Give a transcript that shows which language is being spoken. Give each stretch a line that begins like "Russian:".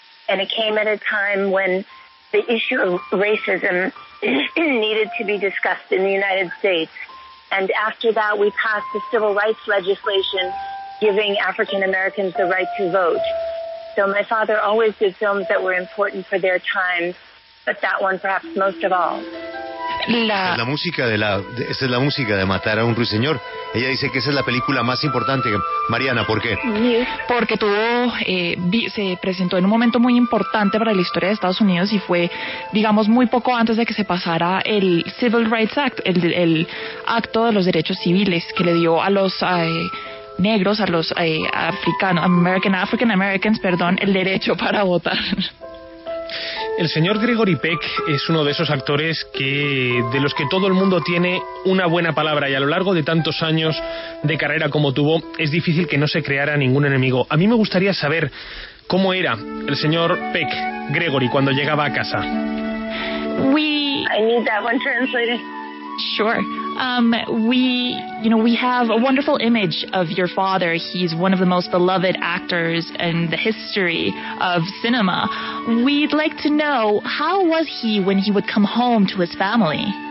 English: And it came at a time when the issue of racism needed to be discussed in the United States. And after that, we passed the civil rights legislation giving African Americans the right to vote. So my father always did films that were important for their time, but that one perhaps most of all.
Spanish: Esa es la música de Matar a un Ruiseñor. Ella dice que esa es la película más importante. Mariana, ¿por qué? Porque se presentó en un momento muy importante para la historia de Estados Unidos y fue, digamos, muy poco antes de que se pasara el Civil Rights Act, el acto de los derechos civiles que le dio a los negros, a los
English: African Americans,
Spanish: el derecho para votar. El señor Gregory Peck es uno de esos actores de los que todo el mundo tiene una buena palabra, y a lo largo de tantos años de carrera como tuvo, es difícil que no se creara ningún enemigo. A mí me gustaría saber cómo era el señor Peck, Gregory, cuando llegaba a casa.
English: I need that one translated. Sure. We have a wonderful image of your father. He's one of the most beloved actors in the history of cinema. We'd like to know, how was he when he would come home to his family?